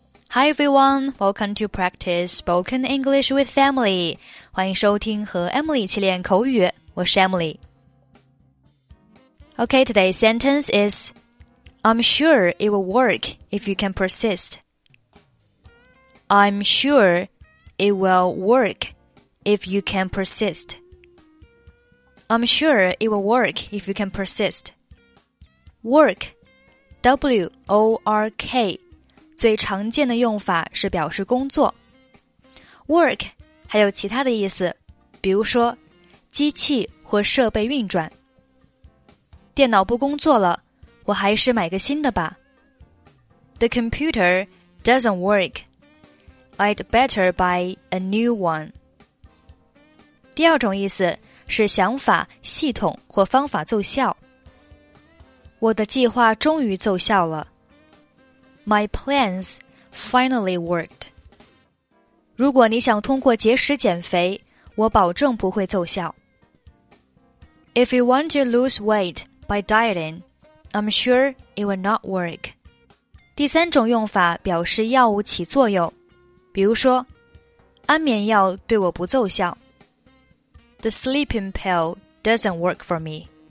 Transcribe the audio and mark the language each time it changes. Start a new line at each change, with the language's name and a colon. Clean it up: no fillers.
English: Hi everyone, welcome to practice spoken English with Emily.
Chinese: 欢迎收听和 Emily 一起练口语，我是 Emily.
English: Okay, today's sentence is, I'm sure it will work if you can persist. I'm sure it will work if you can persist. I'm sure it will work if you can persist. Work, W-O-R-K.
Chinese: 最常见的用法是表示工作。 Work 还有其他的意思，比如说机器或设备运转。电脑不工作了，我还是买个新的吧。
English: The computer doesn't work. I'd better buy a new one.
Chinese: 第二种意思是想法、系统或方法奏效。我的计划终于奏效了。
English: My plans finally worked.
Chinese: 如果你想通过节食减肥，我保证不会奏效。
English: If you want to lose weight by dieting, I'm sure it will not work.
Chinese: 第三种用法表示药物起作用，比如说，安眠药对我不奏效。
English: The sleeping pill doesn't work for me.